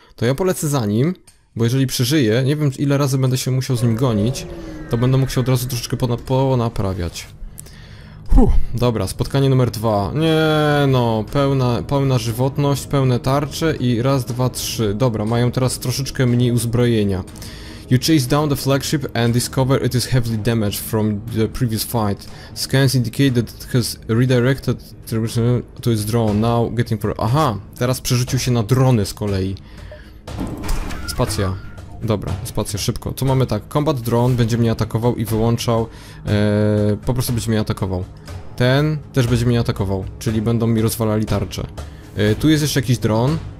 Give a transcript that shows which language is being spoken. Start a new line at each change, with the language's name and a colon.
Polish: To ja polecę za nim, bo jeżeli przeżyje, nie wiem ile razy będę się musiał z nim gonić, to będę mógł się od razu troszeczkę ponaprawiać. Dobra, spotkanie numer 2. Nie no, pełna żywotność, pełne tarcze i raz, dwa, trzy. Dobra, mają teraz troszeczkę mniej uzbrojenia.
English: You chase down the flagship and discover it is heavily damaged from the previous fight. Scans indicate that it has redirected to its drone. Now getting for... Aha!
Polish: Teraz przerzucił się na drony z kolei. Spacja. Dobra, spacja, szybko. Tu mamy tak, combat drone będzie mnie atakował i wyłączał. Po prostu będzie mnie atakował. Ten też będzie mnie atakował, czyli będą mi rozwalali tarcze. Tu jest jeszcze jakiś dron.